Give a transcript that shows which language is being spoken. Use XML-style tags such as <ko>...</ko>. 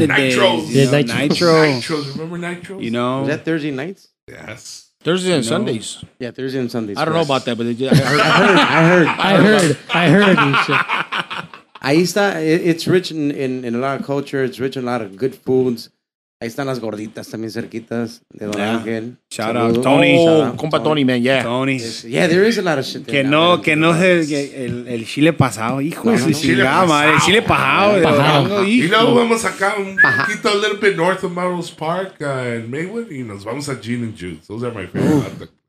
<en>the days. Nitro. Remember Nitro? You know? Is that Thursday nights? Yes. Thursday and Sundays. Yeah, Thursday and Sundays. I don't know about that, but I heard.</en> <es>Ahí está,</es> <en>it's rich in a lot of culture. It's rich in a lot of good foods.</en> <es>Ahí están las gorditas también cerquitas de Don Ángel.</es> <en>Shout out, Tony. Compa Tony, man, yeah. Tony. Yeah, there is a lot of shit there.</en> <es>El chile pasado, hijo de su chingada. El chile pasado.</es> <en>You know,</en> <es>vamos acá un poquito,</es> <en>a little bit north of Melrose Park in Maywood,</en> <es>y nos vamos a</es> <en>Gene and Jude. Those are my favorite.</en>